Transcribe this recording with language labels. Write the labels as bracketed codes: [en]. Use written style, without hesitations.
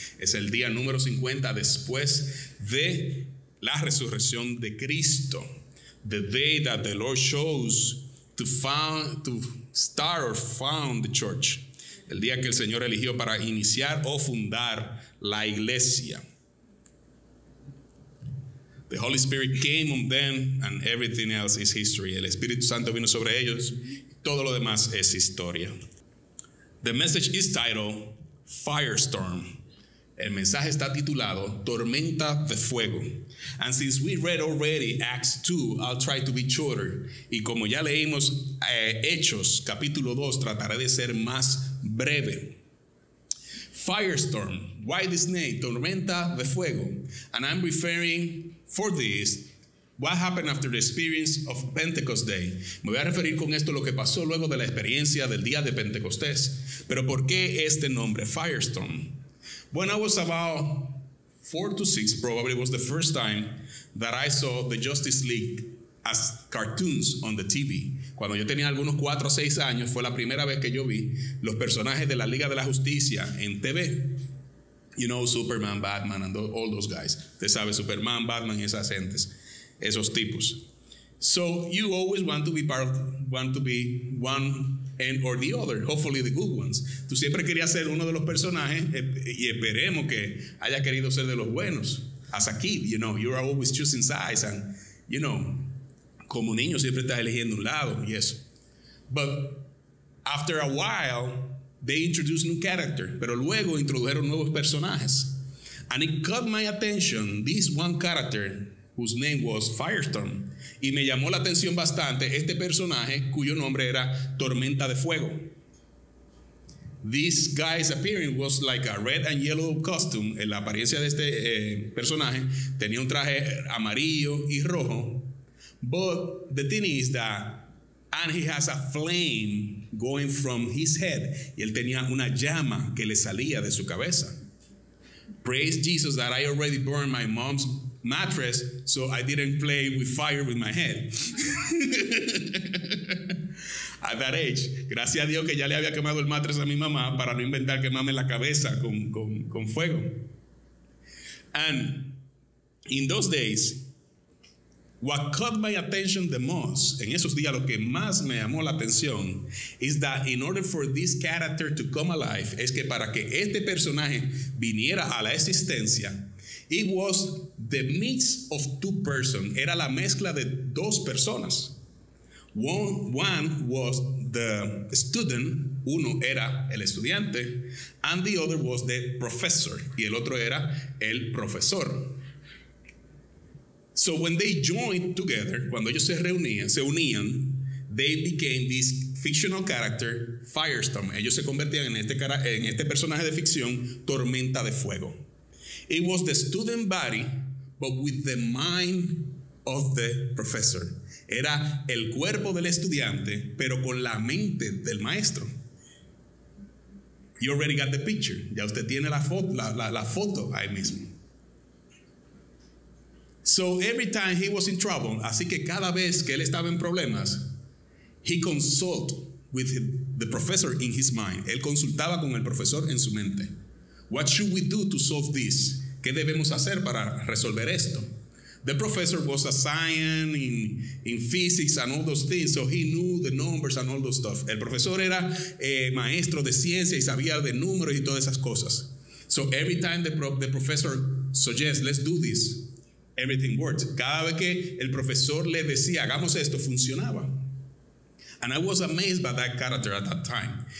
[es] Es el día número 50 después de la resurrección de Cristo. [en] The day that the Lord chose to found the church. [es] El día que el Señor eligió para iniciar o fundar la iglesia. [en] The Holy Spirit came on them and everything else is history. [es] El Espíritu Santo vino sobre ellos. Todo lo demás es historia. [en] The message is titled Firestorm. [es] El mensaje está titulado Tormenta de Fuego. [en] And since we read already Acts 2, I'll try to be shorter. [es] Y como ya leímos Hechos capítulo 2, trataré de ser más breve. [en] Firestorm. Why this name? Tormenta de Fuego. And I'm referring for this what happened after the experience of Pentecost Day. [es] Me voy a referir con esto lo que pasó luego de la experiencia del día de Pentecostés. Pero ¿por qué este nombre? Firestorm. [en] When I was about 4 to 6, probably was the first time that I saw the Justice League as cartoons on the TV. [es] Cuando yo tenía algunos 4 o 6 años, fue la primera vez que yo vi los personajes de la Liga de la Justicia en TV. [en] You know, Superman, Batman, and all those guys. [es] Usted sabe, Superman, Batman, esas gentes, esos tipos. [en] So you always want to be one and or the other, hopefully the good ones. [es] Tú siempre querías ser uno de los personajes y esperemos que haya querido ser de los buenos. [en] As a kid, you know, you're always choosing sides and, you know, [es] como niño siempre estás eligiendo un lado y eso. [en] But after a while, they introduced new character, [es] pero luego introdujeron nuevos personajes. [en] And it caught my attention, this one character whose name was Firestorm. [es] Y me llamó la atención bastante este personaje cuyo nombre era Tormenta de Fuego. [en] This guy's appearance was like a red and yellow costume. [es] En la apariencia de este personaje tenía un traje amarillo y rojo. [en] But the thing is that, and he has a flame going from his head. [es] Y él tenía una llama que le salía de su cabeza. [en] Praise Jesus that I already burned my mom's mattress, so I didn't play with fire with my head. At that age, [es] gracias a Dios que ya le había quemado el mattress a mi mamá para no inventar quemarme la cabeza con fuego. [en] And in those days, what caught my attention the most, [es] en esos días lo que más me llamó la atención, [en] is that in order for this character to come alive, [es] es que para que este personaje viniera a la existencia, [en] it was the mix of two persons. [es] Era la mezcla de dos personas. [en] One was the student. [es] Uno era el estudiante. [en] And the other was the professor. [es] Y el otro era el profesor. [en] So when they joined together, [es] cuando ellos se unían, [en] they became this fictional character, Firestorm. [es] Ellos se convertían en este personaje de ficción, Tormenta de Fuego. [en] It was the student body, but with the mind of the professor. [es] Era el cuerpo del estudiante, pero con la mente del maestro. [en] You already got the picture. [es] Ya usted tiene la foto ahí mismo. [en] So every time he was in trouble, [es] así que cada vez que él estaba en problemas, [en] he consulted with the professor in his mind. [es] Él consultaba con el profesor en su mente. [en] What should we do to solve this? [es] ¿Qué debemos hacer para resolver esto? [en] The professor was a scientist in physics and all those things, so he knew the numbers and all those stuff. [es] El profesor era maestro de ciencia y sabía de números y todas esas cosas. [en] So every time the professor suggests, let's do this, everything worked. [es] Cada vez que el profesor le decía, hagamos esto, funcionaba. [en] And I was amazed by that character at that time.